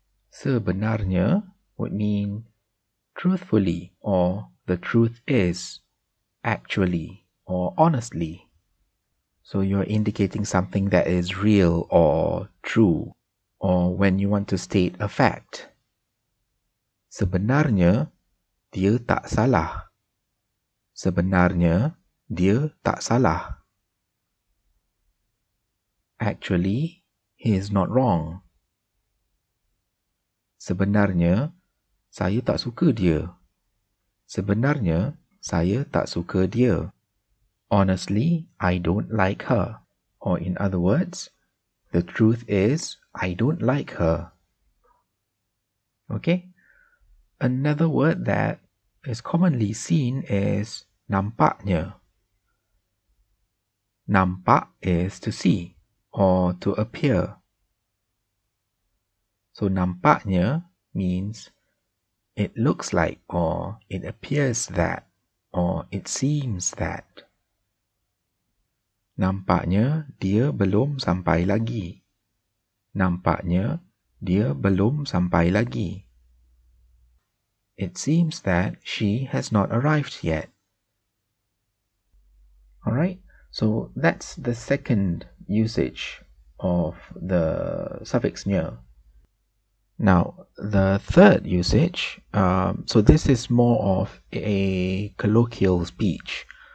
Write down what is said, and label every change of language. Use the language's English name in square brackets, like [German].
[English] Sebenarnya would mean truthfully or the truth is, actually or honestly. So you're indicating something that is real or true, or when you want to state a fact. [Malay] Sebenarnya dia tak salah. Sebenarnya dia tak salah. [English] Actually, he is not wrong. [Malay] Sebenarnya, saya tak suka dia. Sebenarnya, saya tak suka dia. [English] Honestly, I don't like her. Or in other words, the truth is, I don't like her. Okay? Another word that is commonly seen is nampaknya. Nampak is to see or to appear. So nampaknya means it looks like or it appears that or it seems that. [Malay] Nampaknya dia belum sampai lagi. Nampaknya dia belum sampai lagi. [English] It seems that she has not arrived yet. Alright, so that's the second usage of the suffix nya. Now, the third usage, so this is more of a colloquial speech.